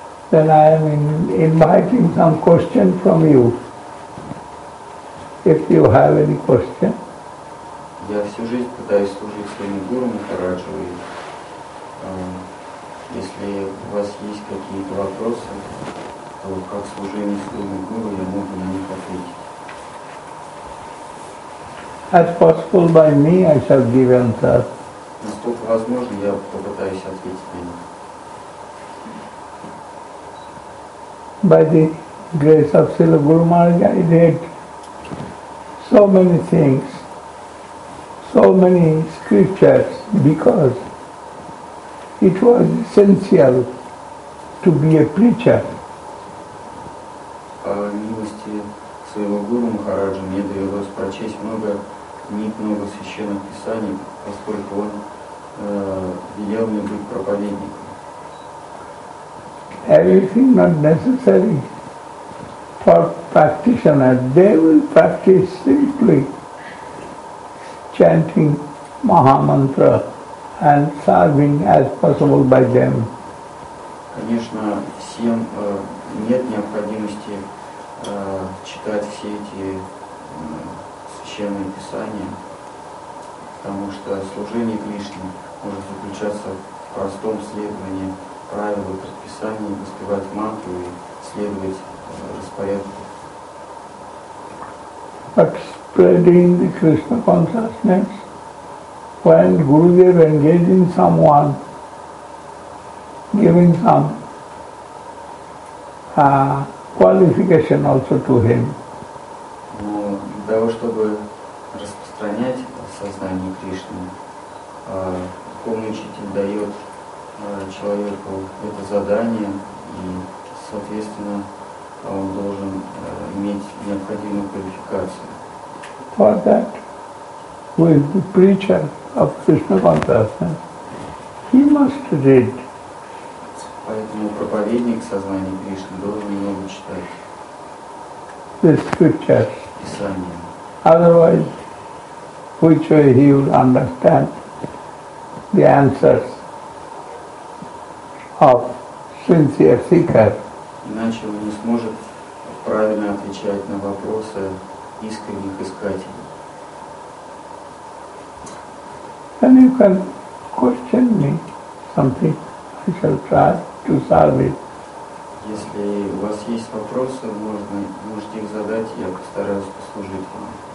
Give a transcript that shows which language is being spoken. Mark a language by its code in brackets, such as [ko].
[en] Then I am inviting some question from you. If you have any question. [ru] Я всю жизнь пытаюсь служить своему Гуру Махараджу. И, если у вас есть какие-то вопросы, то как служение своему Гуру я могу на них ответить. [en] As possible by me, I shall give answer. [ru] Насколько возможно, я попытаюсь ответить на. [en] By the grace of Srila Guru Maharaj, I read so many things, so many scriptures, because it was essential to be a preacher. [ru] Милости своего Гуру Махараджа мне довелось прочесть много книг, много священных писаний, поскольку он велел мне быть проповедником. [en] Everything not necessary for practitioners, they will practice simply chanting Maha Mantra and serving as possible by them. [ru] Конечно, всем нет необходимости читать все эти священные писания, потому что служение Кришне может заключаться в простом следовании правил и предписаний, воспевать мантру и следовать распорядку. [en] But spreading the Krishna consciousness, when Gurudev engaged in someone, giving some qualification also to him. [ru] Но для того, чтобы распространять сознание Кришны, духовный учитель дает человеку это задание, и, соответственно, он должен иметь необходимую квалификацию. [en] For that, who is the preacher of Krishna consciousness, he must read. [ru] Поэтому проповедник сознания Кришны должен много читать. [en] The scriptures. [ru] Писание. [en] Otherwise, which way he will understand the answers of sincere seeker. [ru] Иначе он не сможет правильно отвечать на вопросы искренних искателей. [en] Then you can question me something. I shall try to solve it. [ru] Если у вас есть вопросы, можете их задать, я постараюсь послужить вам.